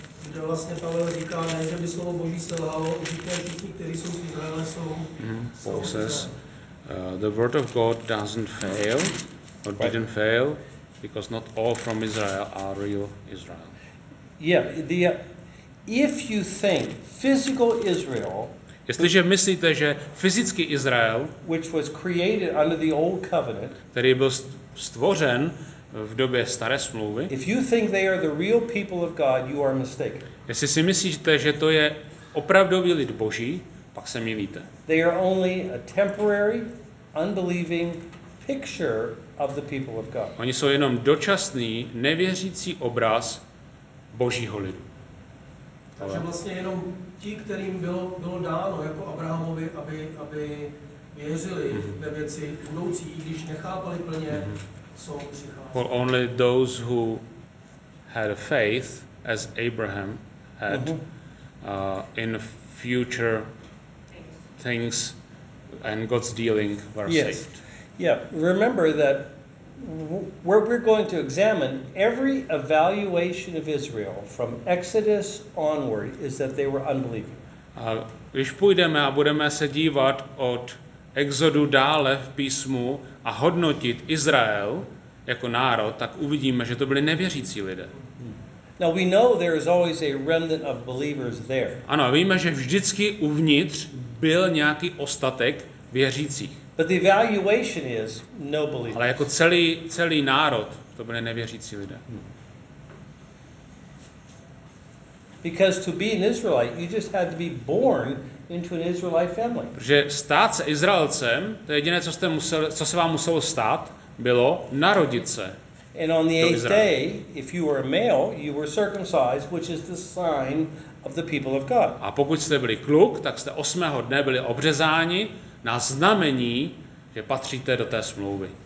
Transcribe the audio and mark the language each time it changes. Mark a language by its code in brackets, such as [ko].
[cs] Kde vlastně Pavel říká, ne, že by slovo Boží selhalo, říkají všichni, kteří jsou z Izraele, jsou Poses. [en] The word of God doesn't fail, or right. Didn't fail, because not all from Israel are real Israel. Yeah, if you think physical Israel, [cs] jestliže myslíte, že fyzický Izrael, [en] which was created under the old covenant, [cs] který byl stvořen v době staré smlouvy, [en] if you think they are the real people of God, you are mistaken. [cs] Jestli si myslíte, že to je opravdový lid Boží, pak se mýlíte. [en] They are only a temporary, unbelieving picture of the people of God. [cs] Oni jsou jenom dočasný, nevěřící obraz Božího lidu. Takže vlastně jenom ti, kterým bylo dáno jako Abrahamovi, aby věřili ve věci budoucí, i když nechápali plně, jsou přicházeli. [en] For only those who had faith, as Abraham had, in future things and God's dealing were saved. Yeah, remember that we're going to examine every evaluation of Israel from Exodus onward is that they were unbelieving. [cs] Když půjdeme a budeme se dívat od Exodu dále v písmu a hodnotit Izrael jako národ, tak uvidíme, že to byli nevěřící lidé. [en] Now we know there is always a remnant of believers there. [cs] Ano, víme, že vždycky uvnitř byl nějaký ostatek věřících. [en] But the evaluation is no believers. [cs] Ale jako celý národ, to byly nevěřící lidé. [en] Because to be an Israelite, you just had to be born into an Israelite family. [cs] Protože stát se Izraelcem, to jediné, co se vám muselo stát, bylo narodit se. [en] And on the eighth day, if you were a male, you were circumcised, which is the sign of the people of God. [cs] A pokud jste byli kluk, tak jste 8. dne byli obřezáni na znamení, že patříte do té smlouvy.